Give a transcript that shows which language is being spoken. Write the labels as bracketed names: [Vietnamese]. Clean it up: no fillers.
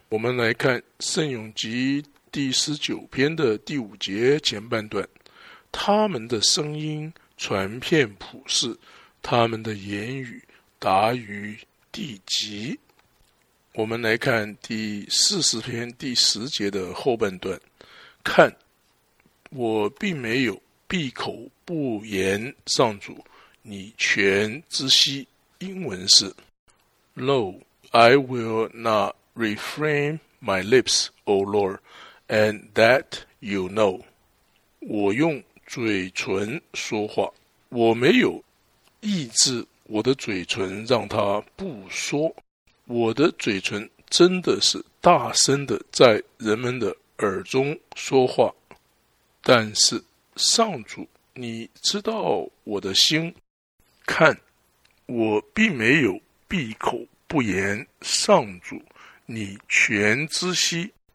[Chinese] 我们来看圣咏集第19篇的5节前半段，他们的声音传遍普世，他们的言语达于地极。我们来看第40篇第10节的后半段，看，我并没有闭口不言，上主，你全知悉。英文是 [English] Lo, I will not refrain my lips, O Lord, and that you know. [Chinese] 我用嘴唇说话，我没有抑制我的嘴唇让他不说。我的嘴唇真的是大声的在人们的耳中说话，但是上主，你知道我的心，看，我并没有闭口不言，上主，你全知悉。